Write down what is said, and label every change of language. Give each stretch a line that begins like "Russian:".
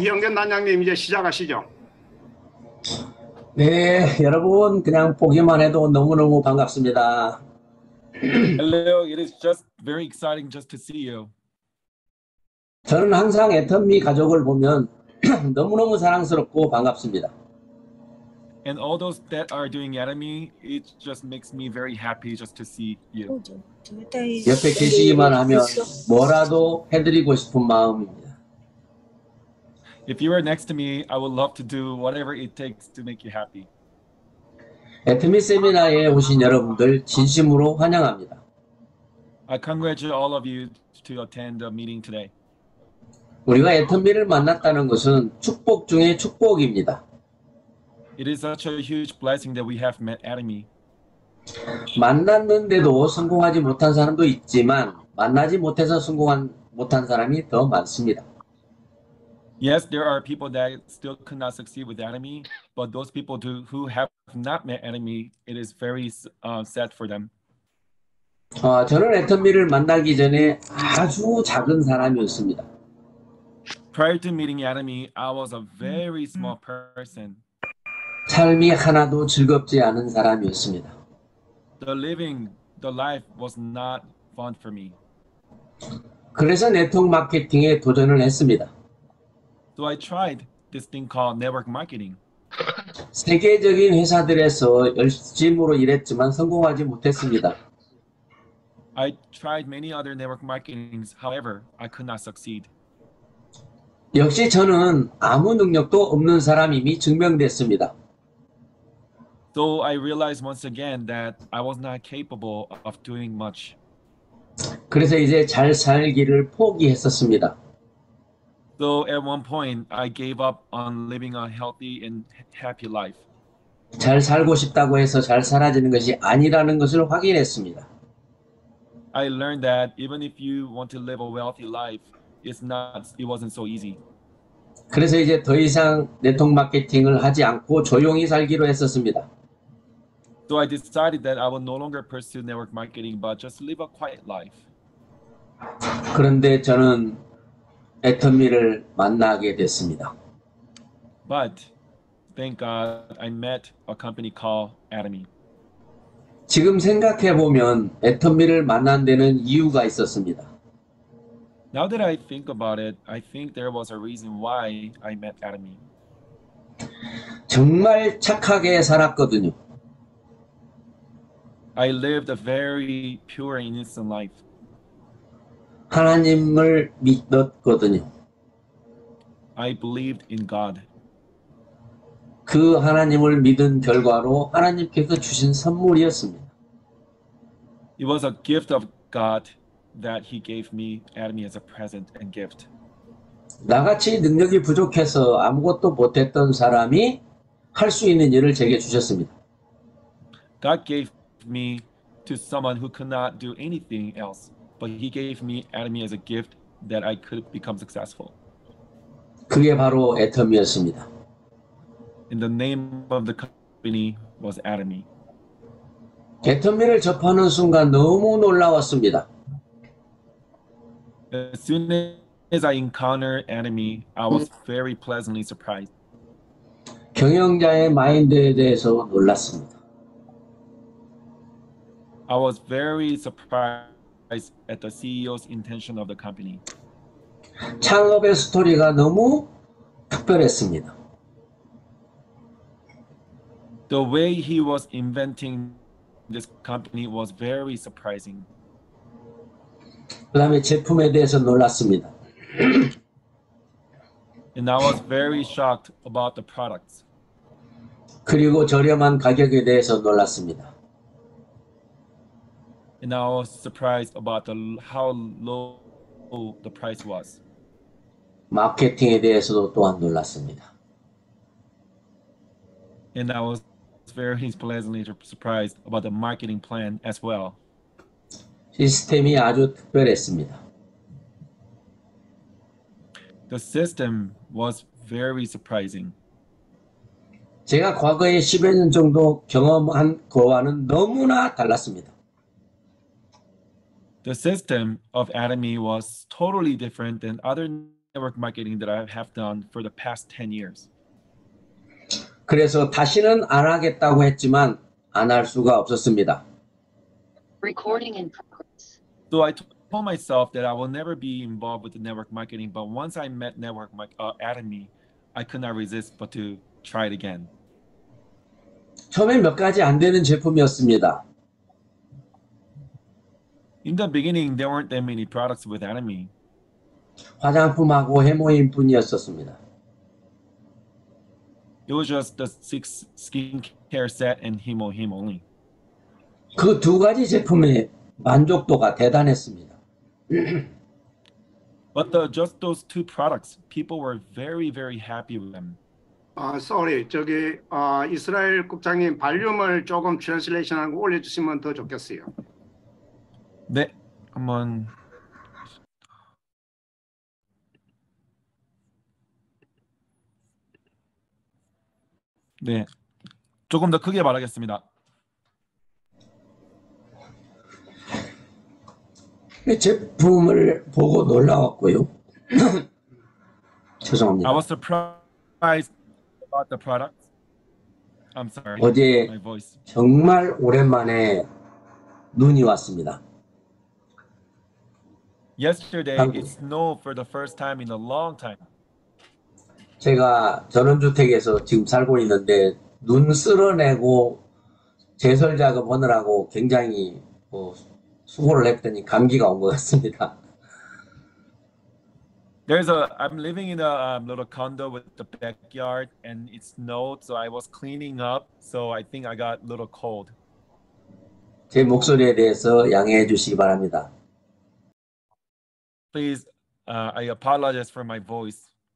Korean: 이영균 단장님 이제 시작하시죠. 네, 여러분 그냥 보기만 해도 너무너무 반갑습니다.
English: Hello, it is just very exciting just to see you.
Korean: 저는 항상 애터미 가족을 보면 너무너무 사랑스럽고 반갑습니다.
English: And all those that are doing enemy, it just makes me very happy just to see you.
Korean: 옆에 계시기만 하면 뭐라도 해드리고 싶은 마음입니다.
English: If you are next to me, I would love to do whatever it takes to make you happy.
Korean: 애터미 세미나에 오신 여러분들 진심으로 환영합니다.
English: I congratulate all of you to attend the meeting today.
Korean: 우리가 애터미를 만났다는 것은 축복 중의 축복입니다.
English: It is such a huge blessing that we have met Atomy.
Korean: 만났는데도 성공하지 못한 사람도 있지만 만나지 못해서 못한 사람이 더 많습니다.
English: Yes, there are people that still could not succeed with Atomy, but those people who have not met Atomy, it is very sad for them.
Korean: 저는 애터미를 만나기 전에 아주 작은 사람이었습니다.
English: Prior to meeting Atomy, I was a very small person.
Korean: 삶이 하나도 즐겁지 않은 사람이었습니다.
English: The living, the life was not fun for me.
Korean: 그래서 네트워크 마케팅에 도전을 했습니다.
English: So I tried this thing called network marketing.
Korean: 세계적인 회사들에서 열심으로 일했지만 성공하지 못했습니다.
English: I tried many other network marketings. However, I could not succeed.
Korean: 역시 저는 아무 능력도 없는 사람임이 증명됐습니다.
English: So I realized once again that I was not capable of doing much.
Korean: 그래서 이제 잘 살기를 포기했었습니다.
English: So at one point, I gave up on living a healthy and happy life.
Korean: 잘 살고 싶다고 해서 잘 살아지는 것이 아니라는 것을 확인했습니다.
English: I learned that even if you want to live a wealthy life, it wasn't so easy.
Korean: 그래서 이제 더 이상 네트워크 마케팅을 하지 않고 조용히 살기로 했었습니다.
English: So I decided that I would no longer pursue network marketing, but just live a quiet life.
Korean: 그런데 저는 애터미를 만나게 됐습니다.
English: But thank God I met a company called Atomy.
Korean: 지금 생각해 보면 애터미를 만난 데는 이유가 있었습니다.
English: Now that I think about it, I think there was a reason why I met Atomy.
Korean: 정말 착하게 살았거든요.
English: I lived a very pure and innocent life.
Korean: 하나님을 믿었거든요.
English: I believed in God.
Korean: 그 하나님을 믿은 결과로 하나님께서 주신 선물이었습니다.
English: It was a gift of God that He gave me, Adam, as a present and gift.
Korean: 나같이 능력이 부족해서 아무것도 못했던 사람이 할 수 있는 일을 제게 주셨습니다.
English: God gave me to someone who could not do anything else, but He gave me Atomy as a gift that I could become successful.
Korean: 그게 바로 애터미였습니다.
English: And the name of the company was Atomy.
Korean: 애터미를 접하는 순간 너무 놀라웠습니다.
English: As soon as I encountered Atomy, I was very pleasantly surprised.
Korean: 경영자의 마인드에 대해서 놀랐습니다.
English: I was very surprised at the CEO's intention of the company.
Korean: 창업의 스토리가 너무 특별했습니다.
English: The way he was inventing this company was very surprising.
Korean: 그 다음에 제품에 대해서 놀랐습니다.
English: And I was very shocked about the products.
Korean: 그리고 저렴한 가격에 대해서 놀랐습니다.
English: And I was surprised about how low the price was.
Korean: 마케팅에 대해서도 또한 놀랐습니다.
English: And I was very pleasantly surprised about the marketing plan as well.
Korean: 시스템이 아주 특별했습니다.
English: The system was very surprising.
Korean: 제가 과거에 10여 년 정도 경험한 거와는 너무나 달랐습니다.
English: The system of Atomy was totally different than other network marketing that I have done for the past 10 years.
Korean: 그래서 다시는 안 하겠다고 했지만 안 할 수가 없었습니다.
English: Recording in progress. So I told myself that I will never be involved with the network marketing, but once I met network Atomy, I could not resist but to try it again.
Korean: 처음에 몇 가지 안 되는 제품이었습니다.
English: In the beginning, there weren't that many products with Atomy.
Korean: 화장품하고 헤모임 뿐이었었습니다.
English: It was just the 6 skincare set and Hemohim only.
Korean: 그 두 가지 제품의 만족도가 대단했습니다.
English: But just those two products, people were very, very happy with them.
Korean: Sorry, 저기 이스라엘 국장님 발음을 조금 translation하고 올려주시면 더 좋겠어요. 네, 한번. 네, 조금 더 크게 말하겠습니다. 제품을 보고 놀라웠고요. 죄송합니다.
English: I was surprised about the product. I'm sorry.
Korean: 어제 정말 오랜만에 눈이 왔습니다.
English: Yesterday, 방금. It snowed for the first time in a long time.
Korean: 제가 전원주택에서 지금 살고 있는데 눈 쓸어내고 제설 작업 하느라고 굉장히 수고를 했더니 감기가 온 것 같습니다.
English: There's a I'm living in a little condo with the backyard and it snowed, so I was cleaning up, so I think I got a little cold.
Korean: 제 목소리에 대해서 양해해 주시기 바랍니다.
English: Please, I apologize for my voice.